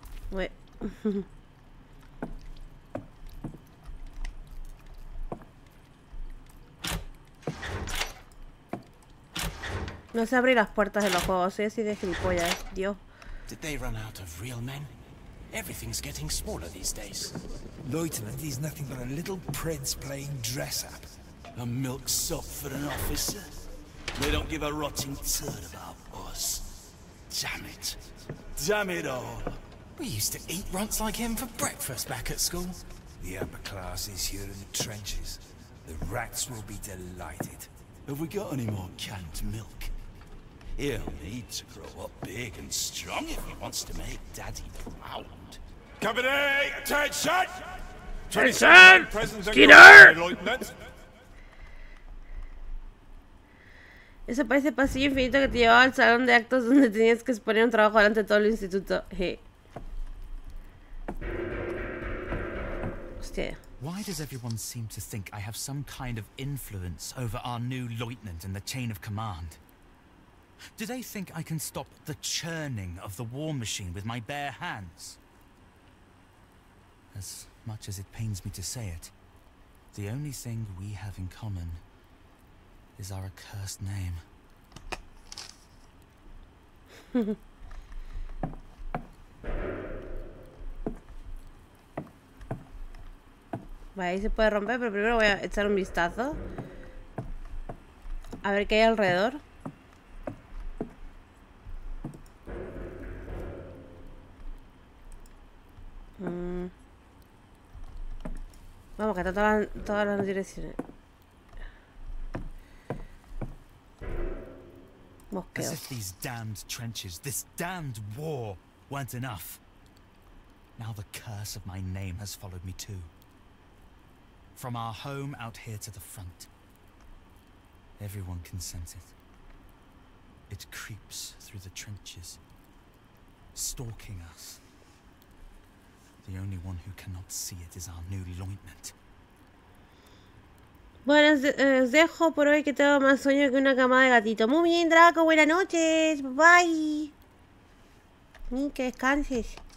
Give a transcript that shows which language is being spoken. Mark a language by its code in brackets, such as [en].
[es] Bueno. No sé abrir las puertas de los juegos, soy así de gilipollas, Dios. [en] Did they run out of real men? Everything's getting smaller these days. Lieutenant is nothing but a little prince playing dress up. A milksop for an officer? They don't give a rotting turd about us. Damn it. Damn it all. We used to eat runts like him for breakfast back at school. The upper class is here in the trenches. The rats will be delighted. Have we got any more canned milk? He'll need to grow up big and strong if he wants to make Daddy proud. Company, attention! Attention! Skinner! [es] Ese parece pasillo infinito que te llevaba al salón de actos donde tenías que exponer un trabajo delante de todo el instituto. Hey. Hostia. [en] Why does everyone seem to think I have some kind of influence over our new lieutenant in the chain of command? Do they think I can stop the churning of the war machine with my bare hands? As much as it pains me to say it, the only thing we have in common is our accursed name. [es] Vale, ahí se puede romper, pero primero voy a echar un vistazo. A ver qué hay alrededor. Vamos, que está todas las direcciones. Mosqueo. [en] As if these damned trenches, this damned war, weren't enough. Now the curse of my name has followed me too. From our home out here to the front. Everyone can sense it. It creeps through the trenches, stalking us. The only one who cannot see it is our new lieutenant. [es] Bueno, os dejo por hoy que tengo más sueño que una cama de gatito. Muy bien, Draco, buenas noches. Bye. Que descanses.